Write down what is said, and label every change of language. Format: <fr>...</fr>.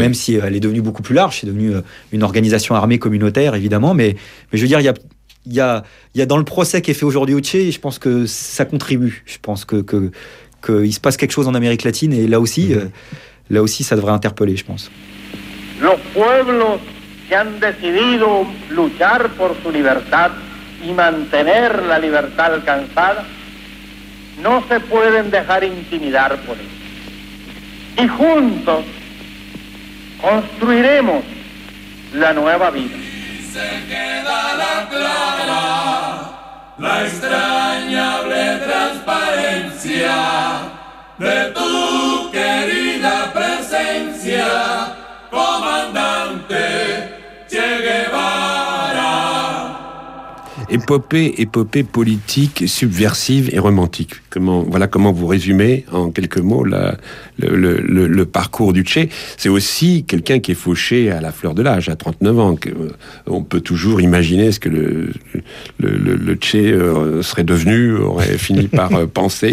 <fr>Même si elle est devenue beaucoup plus large, c'est devenu une organisation armée communautaire, évidemment. Mais je veux dire, il y a dans le procès qui est fait aujourd'hui au Che, je pense que ça contribue. Je pense qu'il se passe quelque chose en Amérique latine, et là aussi, ça devrait interpeller, je pense. Le peuple...</fr> <es>que han decidido luchar por su libertad y mantener la libertad alcanzada, no se pueden dejar intimidar por ello. Y juntos construiremos la nueva vida. Se queda la clara, la extrañable transparencia de tu querida presencia, comandante.</es> <fr>Épopée politique, subversive et romantique. Comment vous résumez en quelques mots le parcours du Che. C'est aussi quelqu'un qui est fauché à la fleur de l'âge, à 39 ans. On peut toujours imaginer ce que le Che serait devenu, aurait fini par penser.</fr>